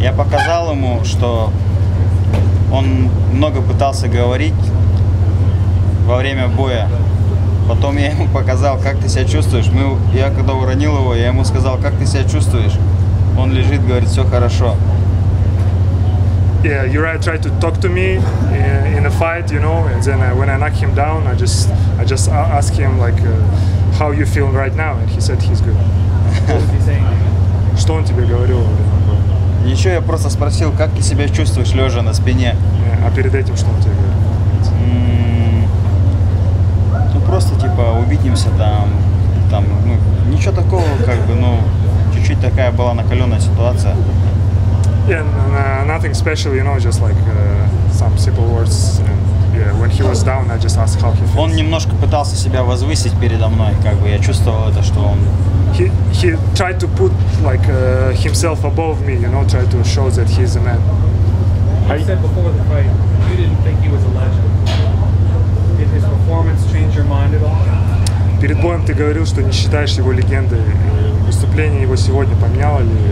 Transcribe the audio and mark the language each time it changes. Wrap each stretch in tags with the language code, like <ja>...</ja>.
<ru>Я показал ему, что он много пытался говорить во время боя. Потом я ему показал, как ты себя чувствуешь. Я когда уронил его, я ему сказал, как ты себя чувствуешь. Он лежит, говорит, все хорошо.</ru> <en>Yeah, Uriah tried to talk to me in a fight, you know, and then when I knocked him down, I just asked him, like, how you feel right now, and he said he's good. What was he saying?</en> <ru>Что он тебе говорил? Ничего, я просто спросил, как ты себя чувствуешь, лежа на спине. А перед этим что он тебе говорил? Ну, просто, типа, увидимся там, ну, ничего такого, как бы, ну, чуть-чуть такая была накаленная ситуация.</ru> <en>Yeah, nothing special, you know, just like some simple words. And yeah, when he was down, I just asked how he feels.</en> <ru>Он немножко пытался себя возвысить передо мной, как бы я чувствовал это, что он.</ru> <en>He tried to put like himself above me, you know, tried to show that he's a man. You said before the fight, you didn't think he was a legend. Did his performance change your mind at all?</en> <ru>Перед боем ты говорил, что не считаешь его легендой. Выступление его сегодня поменяло ли?</ru>